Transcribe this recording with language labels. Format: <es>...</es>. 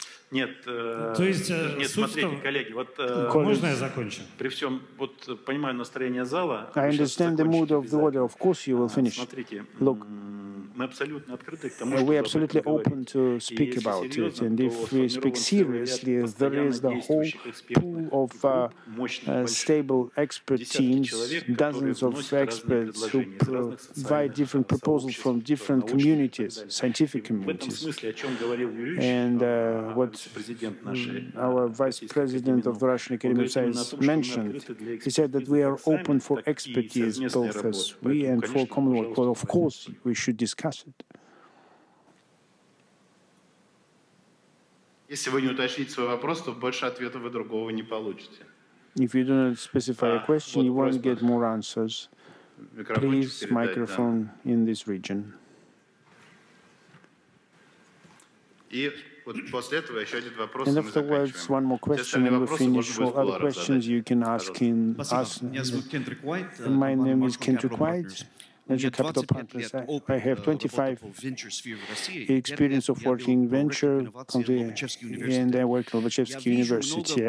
<ru>Нет, то есть, нет, смотрите, там, коллеги, вот можно я закончу? При всем, вот понимаю настроение зала.</ru> <en>I understand the mood of the order. Of course you will finish.</en> <ru>Смотрите,</ru> <en>look. We're absolutely open to speak about it. And if we speak seriously, there is the whole pool of stable expert teams, dozens of experts who provide different proposals from different communities, scientific communities. And what our vice president of the Russian Academy of Science mentioned, he said that we are open for expertise, both as we and for Commonwealth. Well, of course, we should discuss it.</en> <ru>Если вы не уточните свой вопрос, то больше ответа вы другого не получите.</ru> <en>If you do not specify a question, you won't get more answers. Please, microphone in this region.</en> <ru>И вот после этого еще один вопрос.</ru> <en>And afterwards, one more question, and we finish. All other questions you can ask in us. My name is Kendrick White. Venture Capital Partners. I have 25 experience of working venture, and I work at Lobachevsky University.</en>